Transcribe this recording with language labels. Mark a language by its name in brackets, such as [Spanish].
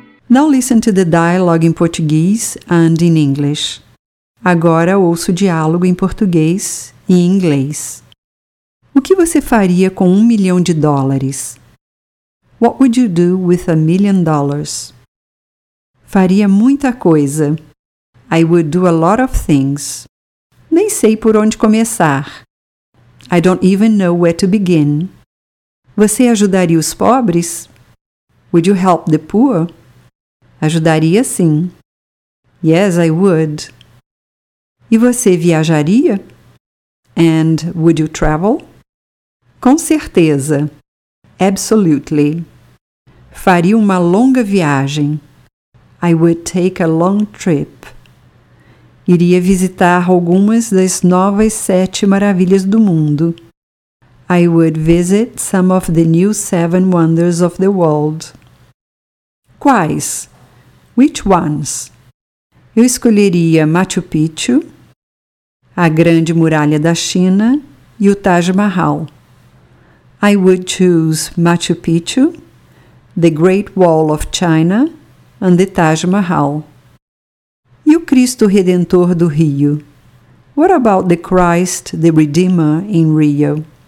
[English] Now listen to the dialogue in Portuguese and in English. [Portuguese] Agora ouço o diálogo em português e em inglês. O que você faria com $1 million? [English] What would you do with $1 million? [Portuguese] Faria muita coisa. [English] I would do a lot of things. [Portuguese] Nem sei por onde começar. [English] I don't even know where to begin. [Portuguese] Você ajudaria os pobres? [English] Would you help the poor? [Portuguese] Ajudaria, sim. [English] Yes, I would. [Portuguese] E você viajaria? [English] And would you travel? [Portuguese] Com certeza. [English] Absolutely. [Portuguese] Faria uma longa viagem. [English] I would take a long trip. [Portuguese] Iria visitar algumas das novas 7 maravilhas do mundo. [English] I would visit some of the new 7 wonders of the world. [Portuguese] Quais? [English] Which ones? [Portuguese] Eu escolheria Machu Picchu, a Grande Muralha da China e o Taj Mahal. [English] I would choose Machu Picchu, the Great Wall of China and the Taj Mahal. [Portuguese] E o Cristo Redentor do Rio? [English] What about the Christ, the Redeemer, in Rio?